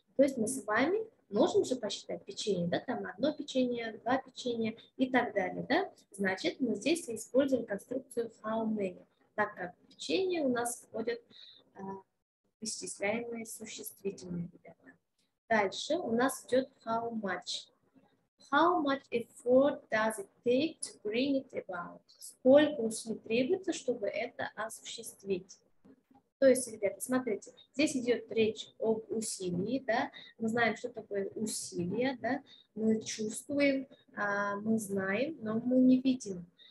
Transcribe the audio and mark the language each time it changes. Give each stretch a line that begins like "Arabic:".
Russian: То есть мы с вами можем же посчитать печенье, да? Там одно печенье, два печенья и так далее, да? Значит, мы здесь используем конструкцию how many. Так как печенье у нас входит в исчисляемые существительные, ребята. Дальше у нас идет how much.
English: How much effort does it take to bring it about?
Russian: Сколько усилий требуется, чтобы это осуществить? То есть, ребята, смотрите, здесь идет речь об усилии, да? Мы знаем, что такое усилие, да? Мы чувствуем, мы знаем, но мы не видим.